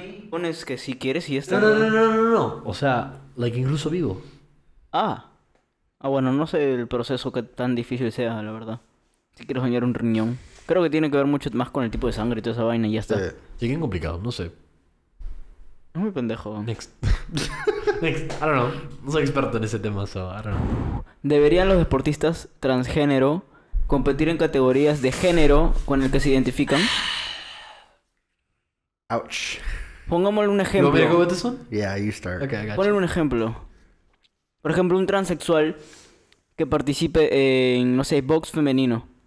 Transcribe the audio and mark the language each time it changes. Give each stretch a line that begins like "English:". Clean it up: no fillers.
Spanish: Pones que si quieres y ya está. No. O sea, like incluso vivo. Ah, bueno, no sé el proceso que tan difícil sea, la verdad. Si quieres dañar un riñón. Creo que tiene que ver mucho más con el tipo de sangre y toda esa vaina y ya está. Sí, bien complicado, no sé. Es muy pendejo.
English: Next. I don't know.
Spanish: No soy experto en ese tema,
English: so I don't know.
Spanish: ¿Deberían los deportistas transgénero competir en categorías de género con el que se identifican?
English: Ouch.
Spanish: Pongámosle un ejemplo. ¿Lo veo con este son?
English: Yeah, you start. Okay, I got you.
Spanish: Ponle un ejemplo. Por ejemplo, un transexual que participe en, no sé, box femenino.